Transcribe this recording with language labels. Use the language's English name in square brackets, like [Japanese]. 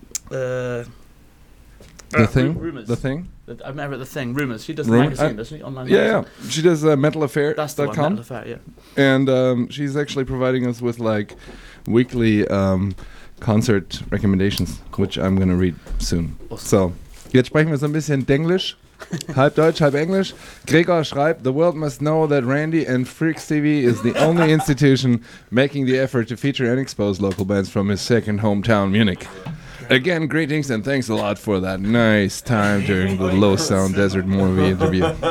[English] The thing? I met her at the thing, Rumors. She does Rumors? The magazine, doesn't she? Online magazine. Yeah. She does metalaffair.com. That's the one, metalaffair, yeah. And she's actually providing us with like weekly concert recommendations, cool, which I'm going to read soon. Awesome. [German] So, jetzt sprechen wir so ein bisschen Denglisch. Halb Deutsch, halb Englisch. Gregor schreibt, [English] the world must know that Randy and Freaks TV is the only institution making the effort to feature and expose local bands from his second hometown, Munich. Again, greetings and thanks a lot for that nice time during the Low Sound Desert movie interview.